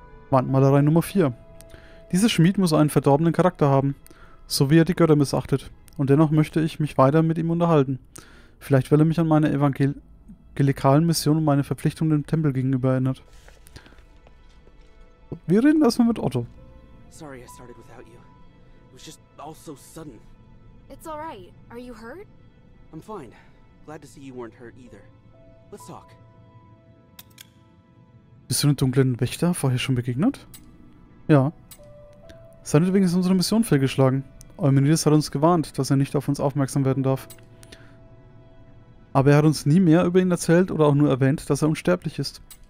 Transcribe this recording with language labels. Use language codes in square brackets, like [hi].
[de] Wandmalerei Nummer 4. Dieser Schmied muss einen verdorbenen Charakter haben, so wie er die Götter missachtet. Und dennoch möchte ich mich weiter mit ihm unterhalten. Vielleicht, weil er mich an meine evangelikalen Mission und meine Verpflichtung dem Tempel gegenüber erinnert. Wir reden erstmal mit Otto. [en] Sorry, I started without you. It was just all so sudden. It's all right. Are you hurt? I'm fine. Glad to see you weren't hurt either. Let's talk. [de] Bist du den dunklen Wächter vorher schon begegnet? Ja. Seinetwegen ist unsere Mission fehlgeschlagen. Eumenides hat uns gewarnt, dass er nicht auf uns aufmerksam werden darf. Aber er hat uns nie mehr über ihn erzählt oder auch nur erwähnt, dass er unsterblich ist.